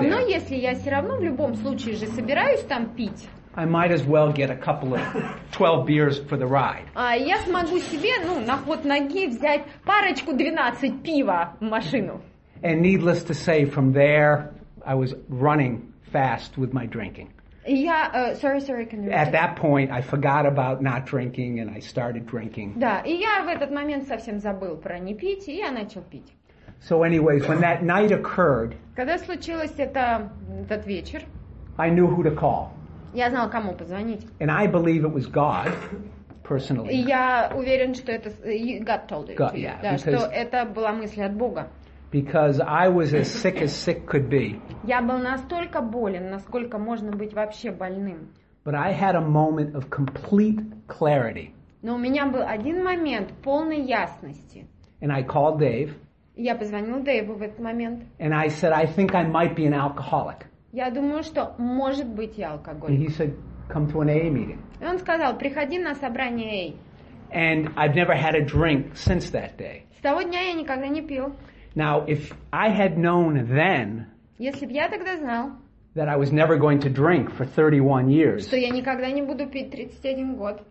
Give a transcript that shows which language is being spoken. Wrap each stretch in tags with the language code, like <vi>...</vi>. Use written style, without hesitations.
<ru>Все равно, если я все равно в любом случае же собираюсь там пить.</ru> <en>I might as well get a couple of 12 beers for the ride.</en> <ru>Я смогу себе, ну, на ход ноги взять парочку 12 пива в машину.</ru> <en>And needless to say, from there, I was running fast with my drinking. Yeah, sorry, can you... At that point, I forgot about not drinking, and I started drinking.</en> <ru>Да, и я в этот момент совсем забыл про не пить, и я начал пить.</ru> <en>So anyways, when that night occurred,</en> <ru>когда случилось это, этот вечер,</ru> <en>I knew who to call.</en> <ru>Я знала, кому позвонить.</ru> <en>And I believe it was God, personally.</en> <ru>И я уверен, что это...</ru> <en>God told it.</en> <ru>Что это была мысль от Бога.</ru> <en>Because I was as sick could be.</en> <ru>Я был настолько болен, насколько можно быть вообще больным.</ru> <en>But I had a moment of complete clarity.</en> <ru>Но у меня был один момент полной ясности.</ru> <en>And I called Dave.</en> <ru>Я позвонил Дэйву в этот момент.</ru> <en>And I said, I think I might be an alcoholic.</en> <ru>Я думаю, что может быть я алкоголик.</ru> <en>And he said, come to an AA meeting.</en> <ru>И он сказал, приходи на собрание AA.</ru> <en>And I've never had a drink since that day.</en> <ru>С того дня я никогда не пил.</ru> <en>Now, if I had known then,</en> <ru>если б я тогда знал,</ru> <en>that I was never going to drink for 31 years,</en> <ru>что я никогда не буду пить 31 год,</ru>